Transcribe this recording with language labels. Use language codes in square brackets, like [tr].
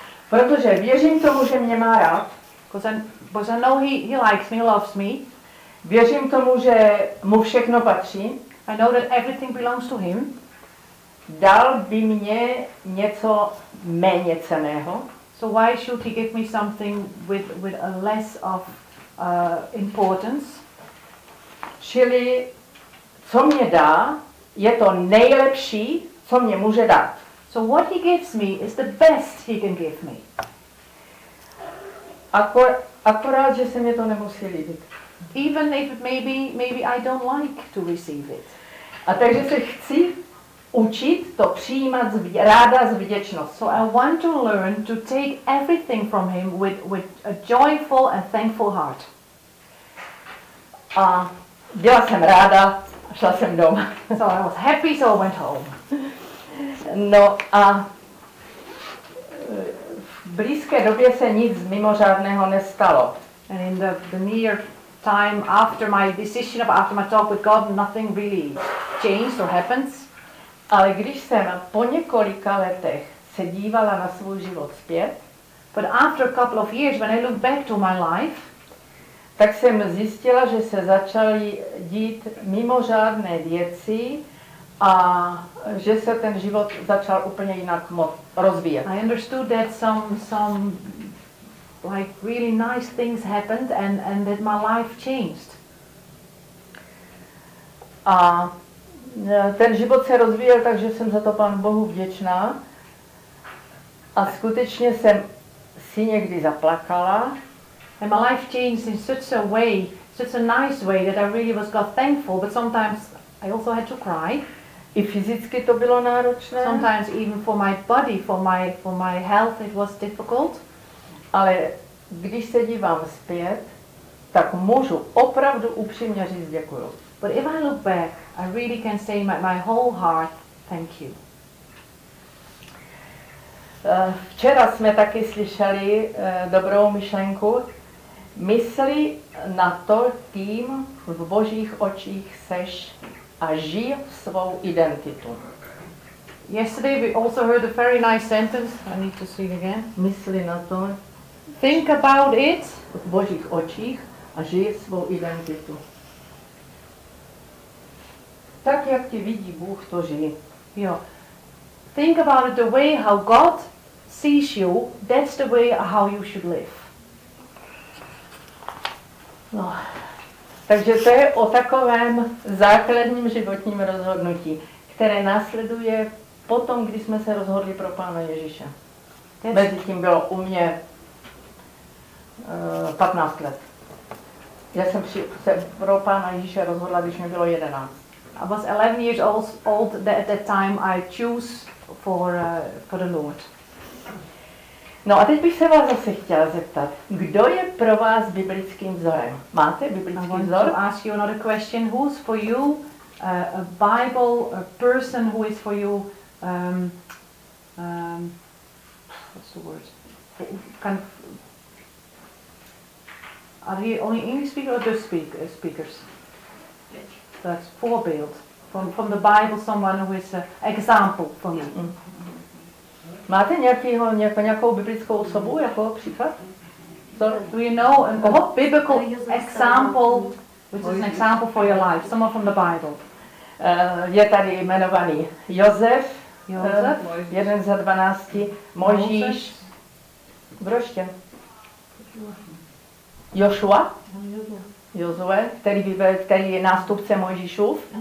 [cs] Protože věřím tomu, že mě má rád. [en] Because I know he likes me, loves me. [cs] Věřím tomu, že mu všechno patří. [en] I know that everything belongs to him. [cs] Dal by mě něco méně cenného. [en] So why should he give me something with a less of importance? [cs] Čili, co mě dá, je to nejlepší, co mě může dát. [en] So what he gives me is the best he can give me. [cs] Akorát, že se mě to nemusí líbit. [en] Even if maybe I don't like to receive it. [cs] A takže se chci učit to přijímat ráda z vděčnost. [en] So I want to learn to take everything from him with a joyful and thankful heart. [cs] A byla jsem ráda, šla jsem doma. [en] So I was happy, so I went home. [cs] No a v blízké době se nic mimořádného nestalo. [en] And in the near time after my decision, after my talk with God, nothing really changed or happens. [cs] Ale když jsem po několika letech se dívala na svůj život zpět, [en] but after a couple of years, when I look back to my life, [cs] tak jsem zjistila, že se začaly dít mimořádné věci a že se ten život začal úplně jinak rozvíjet. [en] I understood that some like really nice things happened and that my life changed. [cs] A ten život se rozvíjel, takže jsem za to Pánu Bohu vděčná. A skutečně jsem si někdy zaplakala. [en] And my life changed in such a nice way that I really was God thankful, but sometimes I also had to cry. [cs] I fyzicky to bylo náročné. [en] Sometimes even for my body, for my health it was difficult. [cs] Ale když se dívám zpět, tak můžu opravdu upřímně říct děkuju. [en] But if I look back, I really can say my whole heart, thank you. [cs] Včera jsme taky slyšeli dobrou myšlenku. Mysli na to, kým v Božích očích seš a žij svou identitu. [en] Yesterday we also heard a very nice sentence. I need to see it again. [cs] Mysli na to. [en] Think about it. [cs] V Božích očích a žij svou identitu. Tak jak tě vidí Bůh, to žije. Jo. [en] Think about it the way how God sees you, that's the way how you should live. [cs] No. Takže to je o takovém základním životním rozhodnutí, které následuje potom, když jsme se rozhodli pro Pána Ježíše. Mezitím bylo u mě 15 let. Já jsem se pro Pána Ježíše rozhodla, když mi bylo 11. [en] I was 11 years old at that time I choose for the Lord. [cs] No a teď bych se vás zase chtěla zeptat, kdo je pro vás biblickým vzorem? Máte biblický vzor? [en] I want to ask you another question. Who's for you a Bible, a person who is for you, what's the word? Are they only English speakers or just speakers? That's forebild. From the Bible, someone who is an example for me. Mm-hmm. [cs] Máte nějakou biblickou osobu jako příklad? [en] So, do you know a biblical example, which is an example for your life, someone from the Bible? [cs] Je tady jmenovaný Josef, Josef. Jeden ze 12, Mojžíš, Broště, Joshua, Josué, který je nástupce Mojžíšův.